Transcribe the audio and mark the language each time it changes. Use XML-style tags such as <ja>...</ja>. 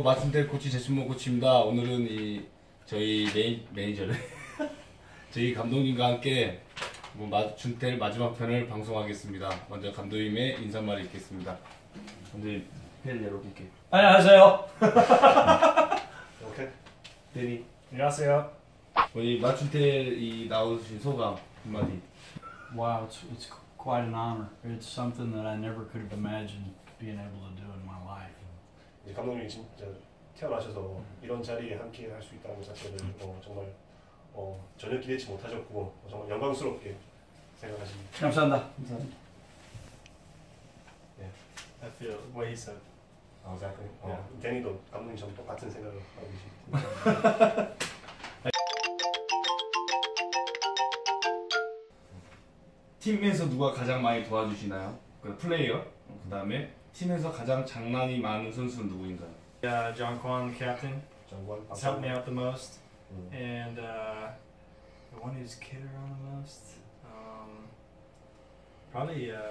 <ko>마춘텔 코치 제순모 코치입니다. 오늘은 저희 매니저를 저희 감독님과 함께 마춘텔 마지막 편을 방송하겠습니다. 먼저 감독님의 인사말이 있겠습니다. 감독님, 팬 여러분께 안녕하세요. 오케이. 데니. 안녕하세요. 우리 마춘텔 이 나오신 소감 한마디.</ko> <en>Wow, it's quite an honor. It's something that I never could have imagined being able to do in my life.</en> <ko>감독님이 진짜 태어나셔서 이런 자리에 함께 할 수 있다는 자체를 정말 전혀 기대치 못하셨고 정말 영광스럽게 생각하십니다. 감사합니다. 감사합니다.</ko> <en>Yeah, I feel what he said. Oh, exactly.</en> <ko>Yeah, 데니도 감독님 전 똑같은 생각을 하고 계십니다. 팀에서 누가 가장 많이 도와주시나요? 그 플레이어? 그 다음에 팀에서 가장 장난이 많은 선수는 누구인가요?</ko> <en>Yeah, John Kwan, the captain. John Kwan, he's helped me out the most. And the one who's kid around the most, probably</en>